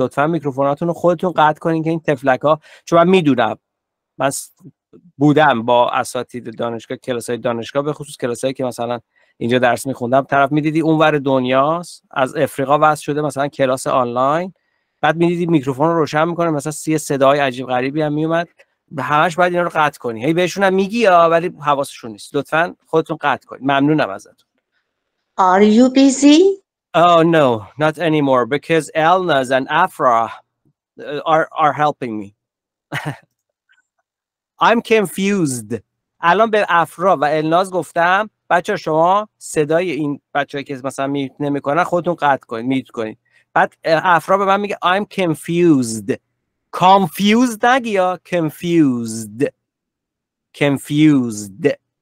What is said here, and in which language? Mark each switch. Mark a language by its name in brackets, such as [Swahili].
[Persian] لطفا میکروفوناتون رو خودتون قطع کنین که این تفلک ها، چون من میدونم، من بودم با اساتید دانشگاه، کلاس های دانشگاه، به خصوص کلاس هایی که مثلا اینجا درس میخوندم، طرف میدیدی اونور دنیاست، از افریقا وصل شده مثلا کلاس آنلاین، بعد میدیدی میکروفون رو روشن میکنه، مثلا سی صدای عجیب غریبی هم میومد، به همش باید اینا رو قطع کنی، هی بهشون هم میگی آه، ولی حواسشون نیست. لطفا خودتون قطع کنید. ممنونم ازتون. [English] Are you busy? Oh no, not anymore because Elnaz and Afra are helping me. I'm confused. [Persian] الان به افرا و الناز گفتم بچه شما صدای این بچه هایی که مثلا میت نمی کنن خودتون قطع کنید، میت کنید. بعد افرا به من میگه [English] I'm confused. [Persian] confused نگی یا confused. Confused.